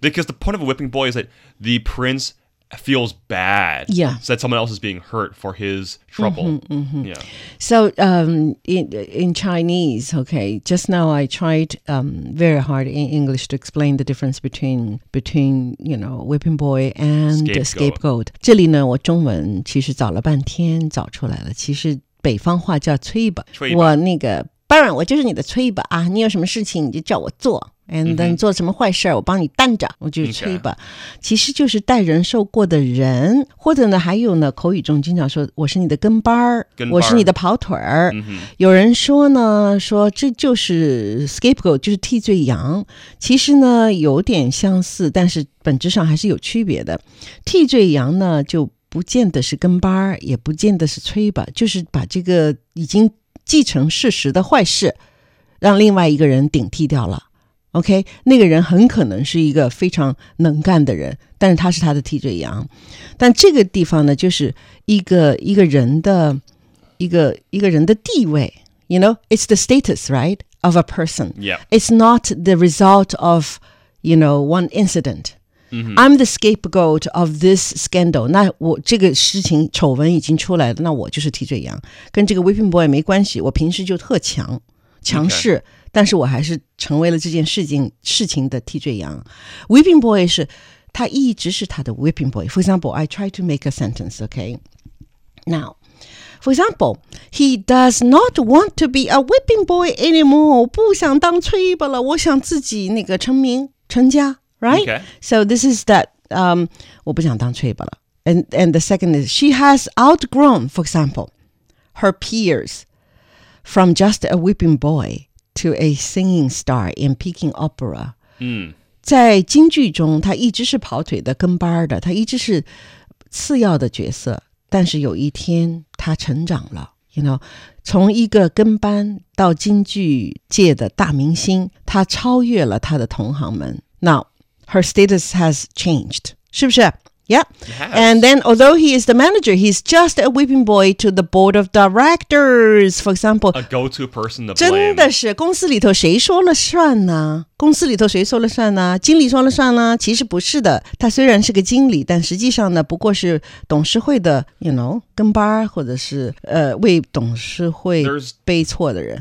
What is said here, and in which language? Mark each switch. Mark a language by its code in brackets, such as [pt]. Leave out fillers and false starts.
[en] Because the point of a whipping boy is that the prince feels bad. Yeah. So that someone else is being hurt for his trouble. Mm-hmm, mm-hmm. Yeah. So in Chinese, okay, just now I tried very hard in English to explain the difference between you know, whipping boy and scapegoat. [zh] 这里呢，我中文其实找了半天找出来了。其实北方话叫吹吧。我那个班长，我就是你的吹吧啊！你有什么事情你就叫我做。 [en] And then、 [zh] mm-hmm. 做什么坏事我帮你担着我就吹吧、okay. 其实就是代人受过的人或者呢还有呢口语中经常说我是你的跟班儿，我是你的跑腿儿。 Mm-hmm. 有人说呢说这就是 scapegoat 就是替罪羊其实呢有点相似但是本质上还是有区别的替罪羊呢就不见得是跟班儿，也不见得是吹吧就是把这个已经既成事实的坏事让另外一个人顶替掉了OK, 那个人很可能是一个非常能干的人但是他是他的替罪羊。但这个地方呢就是一个人的一个人的地位 , [en] you know, it's the status, right, of a person. Yeah. It's not the result of, you know, one incident.、 Mm-hmm. I'm the scapegoat of this scandal. [zh] 那我这个事情丑闻已经出来了那我就是替罪羊。跟这个 whipping boy 没关系我平时就特强势。 [en] Okay. [zh] 但是我还是成为了这件事情的替罪羊。 [en] Whipping boy 是他一直是他的 whipping boy. For example, I try to make a sentence, okay? Now, for example, he does not want to be a whipping boy anymore. [zh] 不想当吹吧了我想自己那个成名成家 right? [en] Okay. So this is that, [zh] 我不想当吹吧了。 [en] And the second is, she has outgrown, for example, her peers from just a whipping boy. To a singing star in Peking Opera. 嗯， [zh] 在京剧中，他一直是跑腿的、跟班的，他一直是次要的角色。但是有一天，他成长了 ，you know， 从一个跟班到京剧界的大明星，他超越了他的同行们。 [en] Now, her status has changed， [zh] 是不是？ [en] Yeah. Yes. And then although he is the manager, he's just a whipping boy to the board of directors, for example. A go-to person to blame. [zh] 真的是公司里头谁说了算呢公司里头谁说了算呢经理说了算呢其实不是的他虽然是个经理但实际上呢不过是董事会的 you know, 跟班或者是为董事会背错的人。